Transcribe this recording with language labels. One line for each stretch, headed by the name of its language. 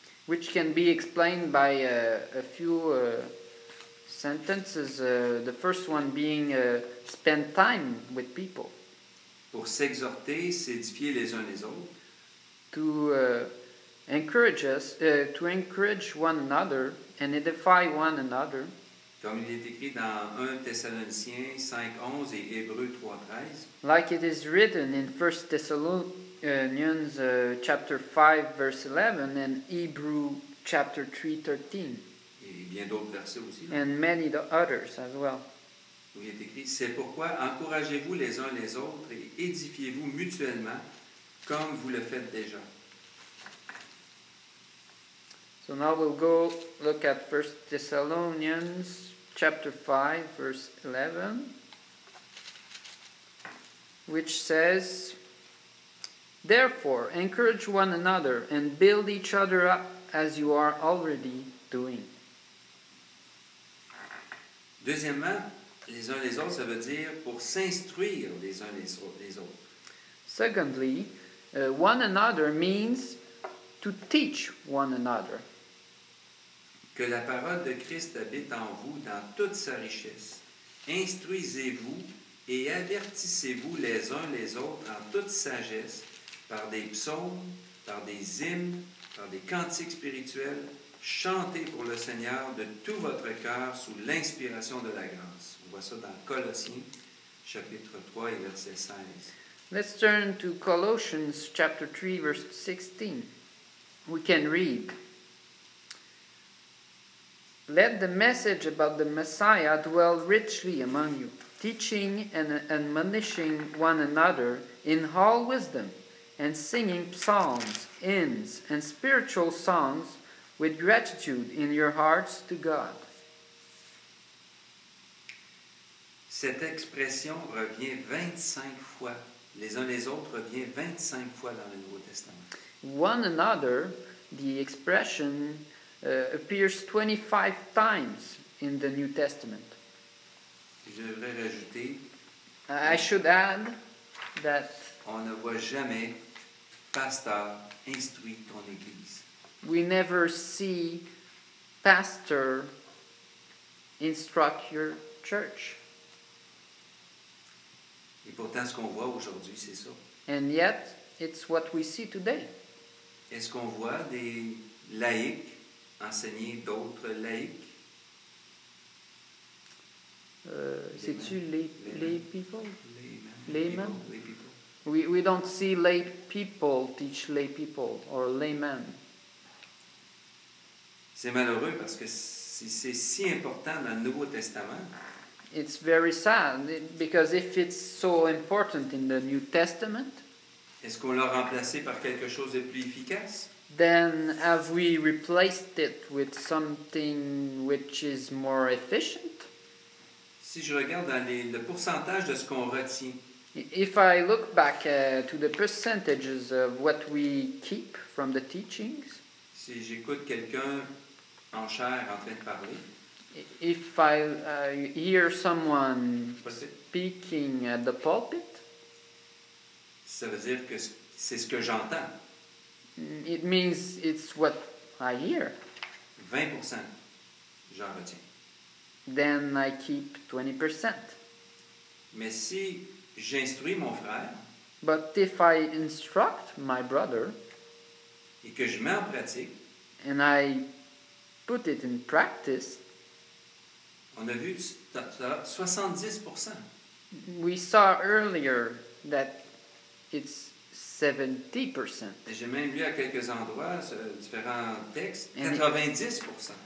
English: Which can be explained by a few sentences. The first one being spend time with people.
French: Pour s'exhorter, s'édifier les uns les autres.
English: To encourage us, to encourage one another and edify one another.
French: Comme il est écrit dans 1 Thessaloniciens 5, 11 et Hébreux 3, 13.
English: Like it is written in 1 Thessalonians chapter 5, verse 11 and Hebrew chapter 3, 13.
French: Et bien d'autres versets aussi. Là.
English: And many others as well.
French: Où il est écrit, c'est pourquoi encouragez-vous les uns les autres et édifiez-vous mutuellement comme vous le faites déjà.
English: So now we'll go look at 1 Thessalonians chapter 5 verse 11 which says therefore encourage one another and build each other up as you are already doing.
French: Deuxièmement, les uns les autres, ça veut dire pour s'instruire les uns les autres.
English: Secondly, one another means to teach one another.
French: Que la parole de Christ habite en vous dans toute sa richesse. Instruisez-vous et avertissez-vous les uns les autres en toute sagesse par des psaumes, par des hymnes, par des cantiques spirituels, chantez pour le Seigneur de tout votre cœur sous l'inspiration de la grâce. On voit ça dans Colossiens, chapitre 3 et verset 16.
English: Let's turn to Colossians chapter 3, verse 16. We can read, "Let the message about the Messiah dwell richly among you, teaching and admonishing one another in all wisdom, and singing psalms, hymns, and spiritual songs with gratitude in your hearts to God."
French: Cette expression revient 25 fois. Les uns les autres revient 25 fois dans le Nouveau Testament.
English: One another, the expression appears 25 times in the New Testament.
French: Je devrais rajouter.
English: I should add that
French: on ne voit jamais pasteur instruit ton église.
English: We never see pastor instruct your church.
French: Et pourtant, ce qu'on voit aujourd'hui, c'est ça.
English: And yet, it's what we see today.
French: Est-ce qu'on voit des laïcs enseigner d'autres laïcs? C'est-tu
English: lay people? Laymen. We don't see lay people teach lay people or laymen.
French: C'est malheureux parce que c'est si important dans le Nouveau Testament.
English: It's very sad because if it's so important in the New Testament,
French: est-ce qu'on l'a remplacé par quelque chose de plus efficace?
English: Then have we replaced it with something which is more efficient?
French: Si je regarde dans le pourcentage de ce qu'on retient,
English: if I look back to the percentages of what we keep from the teachings,
French: si j'écoute quelqu'un en chair en train de parler,
English: if I hear someone speaking at the pulpit,
French: ça veut dire que c'est ce que j'entends.
English: It means it's what I hear.
French: 20% j'en retiens.
English: Then I keep 20%.
French: Mais si j'instruis mon frère,
English: but if I instruct my brother,
French: et que je mets en pratique,
English: and I put it in practice,
French: on a vu 70%.
English: We saw earlier that it's 70%.
French: J'ai même lu à quelques endroits différents textes,
English: and 90%.